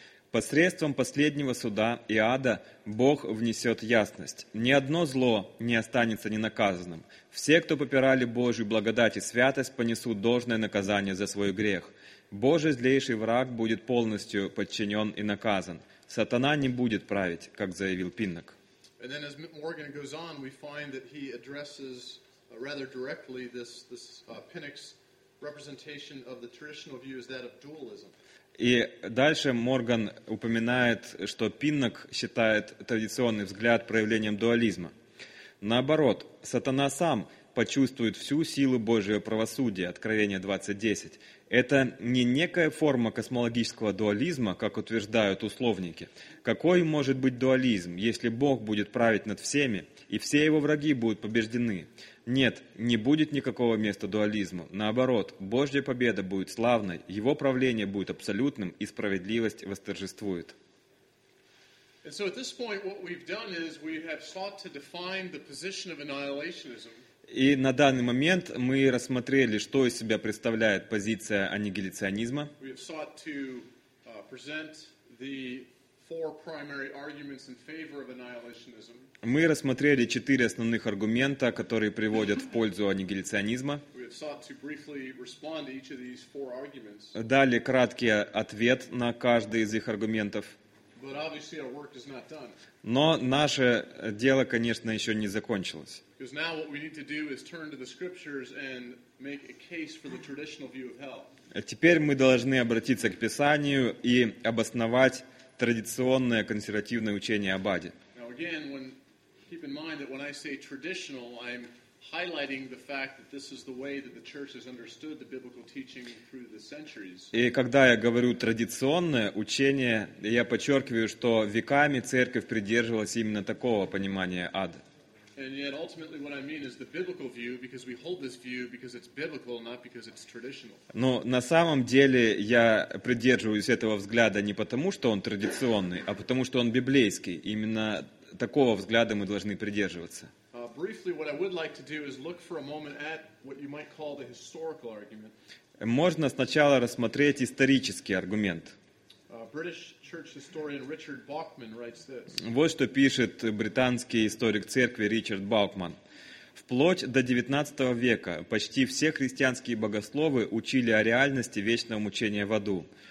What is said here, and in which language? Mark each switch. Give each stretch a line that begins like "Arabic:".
Russian: Посредством последнего суда и ада Бог внесет ясность. Ни одно зло не останется ненаказанным. Все, кто попирали Божью благодать и святость, понесут должное наказание за свой грех. Божий злейший враг будет полностью подчинен и наказан. Сатана не будет править, как заявил Пиннок.
English: And then as Morgan goes on, we find that he addresses rather directly this Pinnock's representation of the traditional view as that of dualism.
Russian: И дальше Морган упоминает, что Пиннок считает традиционный взгляд проявлением дуализма. Наоборот, сатана сам почувствует всю силу Божьего правосудия, Откровение 20:10. Это не некая форма космологического дуализма, как утверждают условники. Какой может быть дуализм, если Бог будет править над всеми, и все его враги будут побеждены? Нет, не будет никакого места дуализму. Наоборот, Божья победа будет славной, его правление будет абсолютным, и справедливость восторжествует.
English: And so at this point, what we've done is we have sought to define the position of annihilationism.
Russian: И на данный момент мы рассмотрели, что из себя представляет позиция аннигиляционизма.
English: We have sought to present the four primary arguments in favor of annihilationism.
Russian: Мы рассмотрели четыре основных аргумента, которые приводят в пользу аннигиляционизма.
English: We have sought to briefly respond to each of these four arguments.
Russian: Дали краткий ответ на каждый из их аргументов.
English: But obviously our work is not done.
Russian: Но наше дело, конечно, еще не закончилось.
English: Because now what we need to do is turn to the scriptures and make a case for the traditional view of hell.
Russian: Теперь мы должны обратиться к Писанию и обосновать традиционное консервативное учение об аде.
English: Now again, keep in mind that when I say traditional, I'm highlighting the fact that this is the way that the church has understood the biblical teaching through the centuries.
Russian: И когда я говорю традиционное учение, я подчеркиваю, что веками церковь придерживалась именно такого понимания ада.
English: And yet ultimately what I mean is the biblical view, because we hold this view because it's biblical, not because it's traditional.
Russian: Но на самом деле я придерживаюсь этого взгляда не потому, что он традиционный, а потому что он библейский. Именно такого взгляда мы должны придерживаться.
English: Briefly, what I would like to do is look for a moment at what you might call the historical argument.
Russian: Можно сначала рассмотреть исторический аргумент.
English: British church historian Richard Bachman writes this.
Russian: Вот что пишет британский историк церкви Ричард Баукман. Вплоть до XIX века почти все христианские богословы учили о реальности вечного мучения в аду.